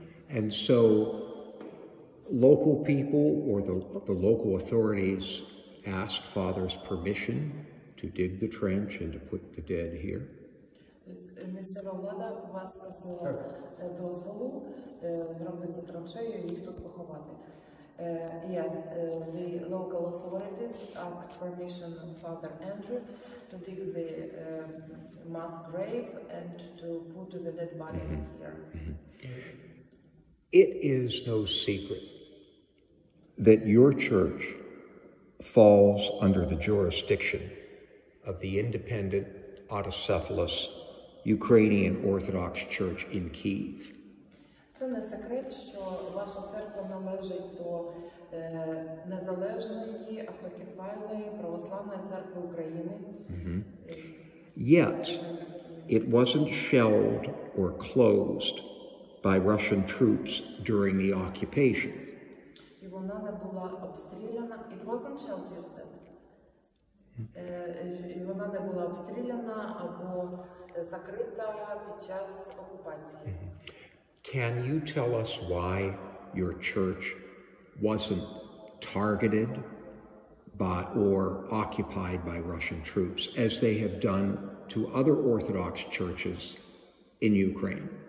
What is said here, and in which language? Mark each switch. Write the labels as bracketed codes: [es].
[en] And so local people or the local authorities asked Father's permission to dig the trench and to put the dead here. [uk] Місце влада вас просило дозволу зробити траншею і їх тут поховати. [en] Yes, the local authorities asked permission of Father Andriy to dig the mass grave and to put the dead bodies here. It is no secret that your church falls under the jurisdiction of the independent, autocephalous Ukrainian Orthodox Church in Kyiv. [uk] Це не секрет, що ваша церква належить до незалежної автокефальної православної церкви України. [en] Yet it wasn't shelled or closed by Russian troops during the occupation. [uk] І вона не була обстріляна. [en] It wasn't shelled, you said. [uk] І вона не була обстріляна або закрита під час окупації. [en] Can you tell us why your church wasn't targeted by or occupied by Russian troops, as they have done to other Orthodox churches in Ukraine?